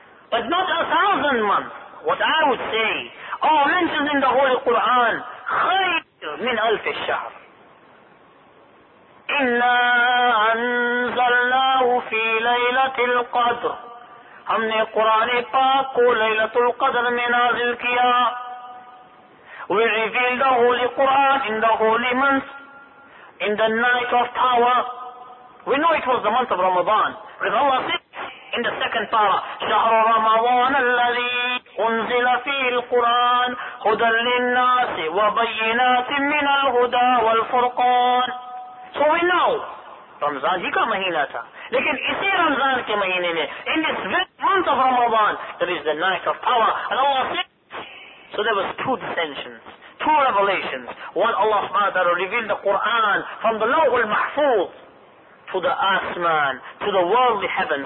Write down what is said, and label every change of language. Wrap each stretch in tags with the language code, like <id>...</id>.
<en>But not 1,000 months. What I would say, all mentioned in the Holy Quran,</en> <ar>خَيْرٌ مِنْ أَلْفِ الشَّهْرِ إِنَّا أَنزَلْنَاهُ فِي لَيْلَةِ الْقَدْرِ.</ar> <ur>ہم نے قرآن پاک کو لیلۃ القدر میں نازل کیا.</ur> <en>We reveal the Holy Quran in the holy month, in the night of power. We know it was the month of Ramadan. Because Allah said in the second para,</en> <ar>شهر رمضان الذي أنزل فيه القرآن هدى للناس وبينات من الهدى والفرقان.</ar> <en>So we know Ramadan</en> <ur>ہی کا مہینہ تھا. لیکن اسی رمضان کے مہینے میں,</ur> <en>in this very month of Ramadan, there is the night of power. And Allah said, so there was two dissensions, two revelations. One, Allah subhanahu wa ta'ala revealed the Quran from the Lawh al-Mahfuz to the Asman, to the worldly heavens.</en>